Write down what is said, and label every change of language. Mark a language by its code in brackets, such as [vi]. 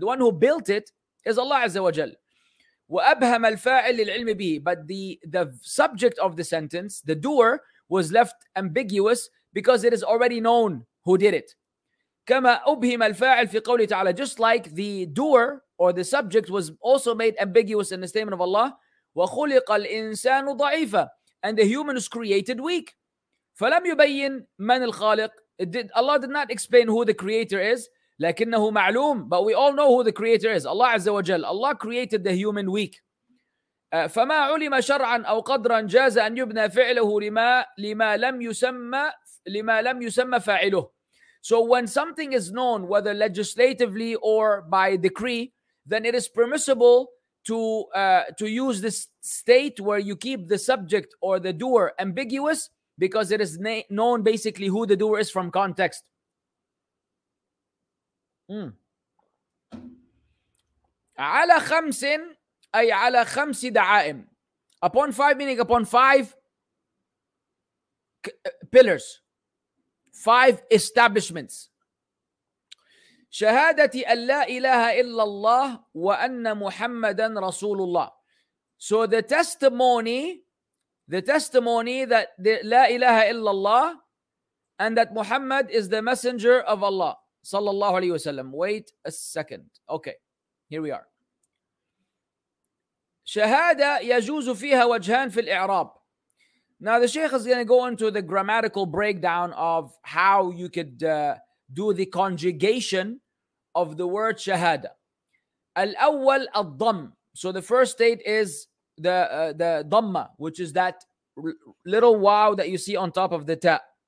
[en] The one who built it is Allah عز وجل. [ar] وأبهم الفاعل للعلم به. [en] But the subject of the sentence, the doer, was left ambiguous because it is already known who did it. [ar] كما أبهم الفاعل في قوله تعالى. [en] Just like the doer or the subject was also made ambiguous in the statement of Allah. [ar] وخلق الإنسان ضعيفا. [en] And the human is created weak. [ar] فلم يبين من الخالق. [en] Allah did not explain who the creator is. [ar] لكنه معلوم. [en] But we all know who the creator is. Allah عز وجل. Allah created the human weak. [ar] فما علم شرعا أو قدرا جاز أن يبنى فعله لما لم يسمى فاعله. [en] So when something is known, whether legislatively or by decree, then it is permissible to use this state where you keep the subject or the doer ambiguous because it is known basically who the doer is from context. [ar] على خمس أي على خمس دعائم. [en] Upon five, meaning upon five pillars, five establishments. [ar] شهادة أن لا إله إلا الله وأن محمدا رسول الله. [en] So the testimony that [ar] لا إله إلا الله [en] and that Muhammad is the messenger of Allah [ar] صلى الله عليه وسلم. [en] Wait a second. Okay, here we are. [ar] شهادة يجوز فيها وجهان في الإعراب. [en] Now the Sheikh is going to go into the grammatical breakdown of how you could do the conjugation of the word shahada. [ar] Al-awwal al-dham. [en] So the first state is the dhamma, which is that little wow that you see on top of the ta.